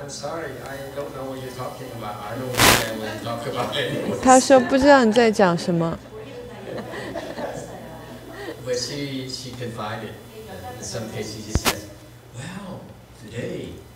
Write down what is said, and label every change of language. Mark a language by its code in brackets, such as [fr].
[en] I'm sorry, I don't know what you're talking about. I don't know what you're talking about. [zh] 她说不知道你在讲什么。 [en] But she confided. In some cases she says, Well, today,